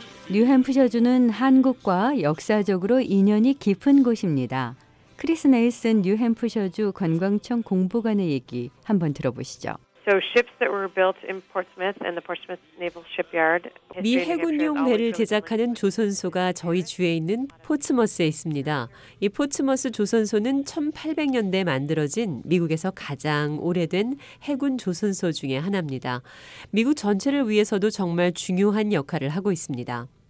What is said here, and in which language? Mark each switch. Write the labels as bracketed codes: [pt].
[ko] 뉴햄프셔주는 한국과 역사적으로 인연이 깊은 곳입니다. 크리스 넬슨 뉴햄프셔주 관광청 공보관의 얘기 한번 들어보시죠. [en] So ships that were built in Portsmouth and the Portsmouth Naval Shipyard. [ko] 미 해군용 배를 제작하는 조선소가 저희 주에 있는 포츠머스에 있습니다. 이 포츠머스 조선소는 1800년대 만들어진 미국에서 가장 오래된 해군 조선소 중에 하나입니다. 미국 전체를 위해서도 정말 중요한 역할을 하고 있습니다.